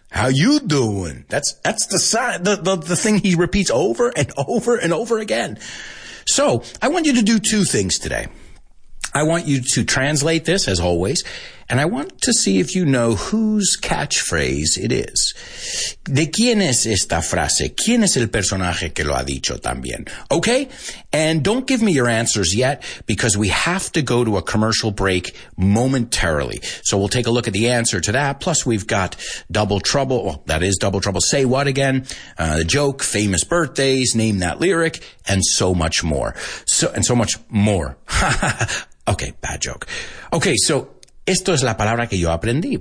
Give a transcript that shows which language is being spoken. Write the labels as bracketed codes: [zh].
[en] How you doing? That's the thing he repeats over and over and over again. So I want you to do two things today. I want you to translate this, as always, and I want to see if you know whose catchphrase it is. [es] ¿De quién es esta frase? ¿Quién es el personaje que lo ha dicho también? [en] Okay? And don't give me your answers yet, because we have to go to a commercial break momentarily. So we'll take a look at the answer to that. Plus, we've got Double Trouble. Well, that is Double Trouble. Say what again? The joke, famous birthdays, name that lyric, and so much more. So much more. Okay, bad joke. Okay, so [es] esto es la palabra que yo aprendí.